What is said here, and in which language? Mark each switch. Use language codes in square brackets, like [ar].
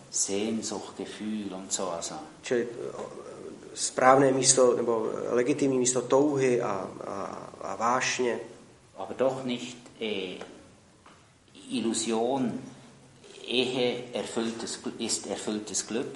[de] Sehnsucht, Gefühl und so also. [cs] Čili správné místo nebo legitimní místo touhy a vášně. [de] Aber doch nicht Illusion. Ehe ist erfülltes Glück.